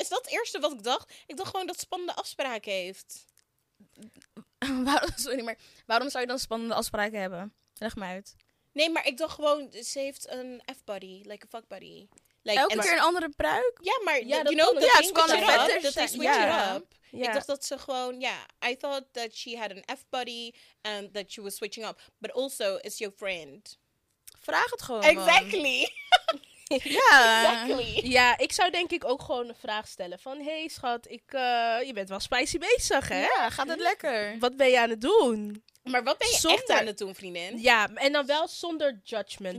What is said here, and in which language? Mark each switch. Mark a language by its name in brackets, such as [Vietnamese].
[Dutch] Is dat het eerste wat ik dacht? Ik dacht gewoon dat spannende afspraken heeft. Waarom zou je dan spannende afspraken hebben? Leg me uit. Nee, maar ik dacht gewoon, ze heeft een F-buddy. [English] Like a fuck buddy. Like, [Dutch] elke keer een andere pruik? [English] Ja, maar ja, you know, the thing with your up. The thing with your up. [Dutch] Ik dacht dat ze gewoon, [English] I thought that she had an F-buddy and that she was switching up. But also, it's your friend. [Dutch] Vraag het gewoon. [English] Exactly. [Dutch] Ja, ik zou denk ik ook gewoon een vraag stellen. Van, hey schat, je bent wel spicy bezig, hè? Ja, gaat het lekker? Wat ben je aan het doen? Maar wat ben je echt aan het doen, vriendin? Ja, en dan wel zonder judgment.